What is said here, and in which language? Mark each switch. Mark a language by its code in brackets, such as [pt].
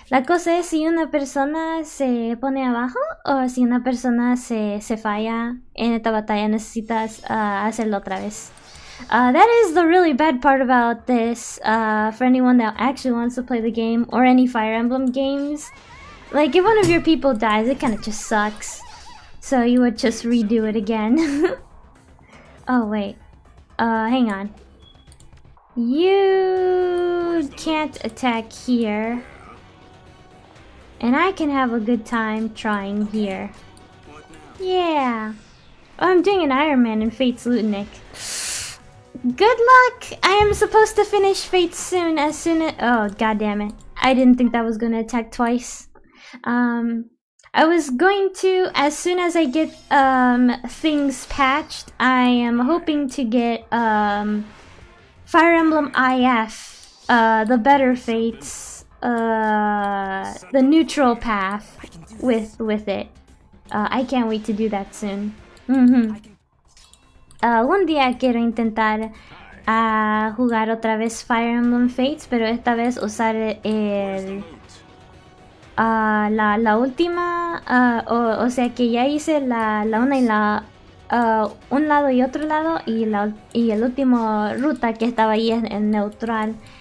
[es] La cosa es si una persona se pone abajo o si una persona se falla en esta batalla, necesitas hacerlo otra vez. [en] That is the really bad part about this, for anyone that actually wants to play the game or any Fire Emblem games. Like, if one of your people dies, it kind of just sucks. So you would just redo it again. Oh, wait. Hang on. You can't attack here. And I can have a good time trying here. Yeah. Oh, I'm doing an Iron Man in Fate's Lutenic. Good luck! I am supposed to finish Fate soon, as soon as- Oh, goddammit. I didn't think that was gonna attack twice. I was going to, as soon as I get things patched, I am hoping to get Fire Emblem IF, the better fates, the neutral path with it. I can't wait to do that soon. [es] Un día quiero intentar jugar otra vez Fire Emblem Fates, pero esta vez usar el... la última, o sea que ya hice la una y la un lado y otro lado y el último ruta que estaba ahí es el neutral.